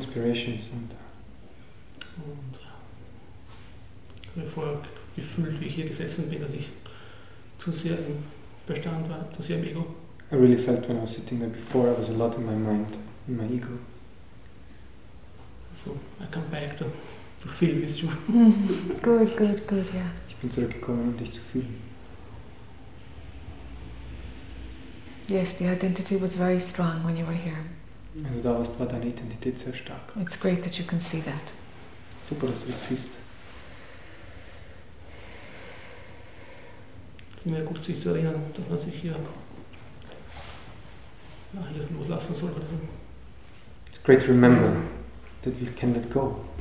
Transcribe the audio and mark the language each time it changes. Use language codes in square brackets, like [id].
[de] Und ich habe vorher gefühlt, wie ich hier gesessen bin, dass ich zu sehr im Verstand war, zu sehr im Ego. [en] I really felt when I was sitting there before, I was a lot in my mind, in my ego. So, I come back to feel with you. Good, yeah. [de] Ich bin zurückgekommen, um dich zu fühlen. [en] Yes, the identity was very strong when you were here. [de] Wenn du da warst, war deine Identität sehr stark. [en] It's great that you can see that. [de] Super, dass du das siehst. Klingt ja gut, sich zu erinnern, dass man sich hier, ja, hier loslassen soll. [en] It's great to remember that we can let go.